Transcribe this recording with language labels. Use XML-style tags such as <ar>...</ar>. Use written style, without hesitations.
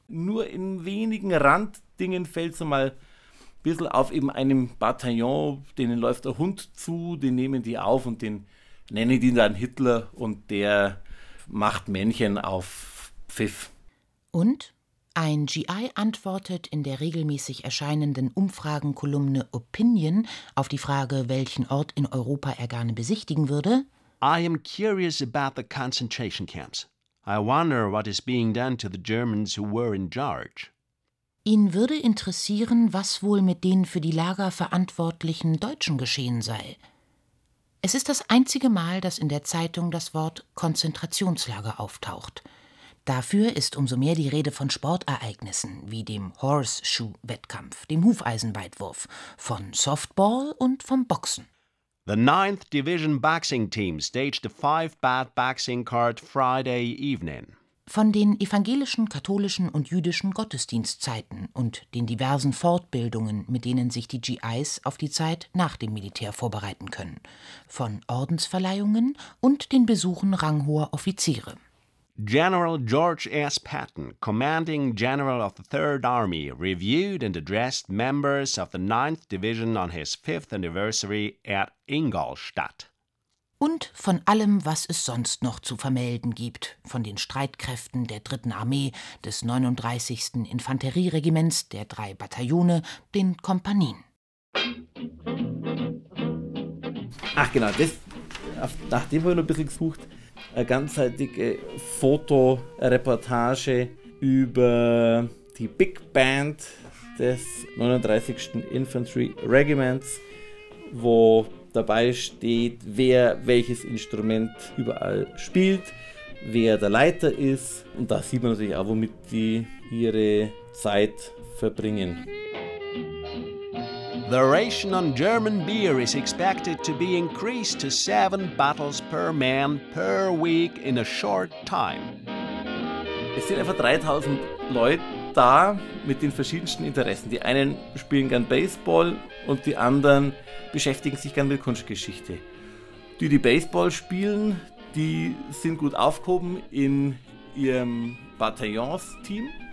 <de>Nur in wenigen Randdingen fällt es mal ein bisschen auf, eben einem Bataillon, denen läuft der Hund zu, den nehmen die auf und den nennen die dann Hitler und der macht Männchen auf Pfiff. Und? Ein GI antwortet in der regelmäßig erscheinenden Umfragenkolumne Opinion auf die Frage, welchen Ort in Europa er gerne besichtigen würde.</de> <en>I am curious about the concentration camps. I wonder what is being done to the Germans who were in charge.</en> <de>Ihn würde interessieren, was wohl mit den für die Lager verantwortlichen Deutschen geschehen sei. Es ist das einzige Mal, dass in der Zeitung das Wort Konzentrationslager auftaucht. Dafür ist umso mehr die Rede von Sportereignissen wie dem Horseshoe-Wettkampf, dem Hufeisenweitwurf, von Softball und vom Boxen.</de> <en>The 9th Division Boxing Team staged a 5-bout boxing card Friday evening.</en> <de>Von den evangelischen, katholischen und jüdischen Gottesdienstzeiten und den diversen Fortbildungen, mit denen sich die GIs auf die Zeit nach dem Militär vorbereiten können. Von Ordensverleihungen und den Besuchen ranghoher Offiziere.</de> <en>General George S. Patton, commanding general of the 3rd Army, reviewed and addressed members of the 9th Division on his 5th anniversary at Ingolstadt.</en> <de>Und von allem, was es sonst noch zu vermelden gibt, von den Streitkräften der 3. Armee, des 39. Infanterieregiments, der 3 Bataillone, den Kompanien. Ach genau, das, nach dem habe ich noch ein bisschen gesucht. Eine ganzseitige Fotoreportage über die Big Band des 39. Infantry Regiments, wo dabei steht, wer welches Instrument überall spielt, wer der Leiter ist. Und da sieht man natürlich auch, womit die ihre Zeit verbringen.</de> <en>The ration on German beer is expected to be increased to 7 bottles per man per week in a short time.</en> <de>Es sind einfach 3000 Leute da mit den verschiedensten Interessen. Die einen spielen gern Baseball und die anderen beschäftigen sich gern mit Kunstgeschichte. Die, die Baseball spielen, die sind gut aufgehoben in ihrem Bataillons-Team.</de>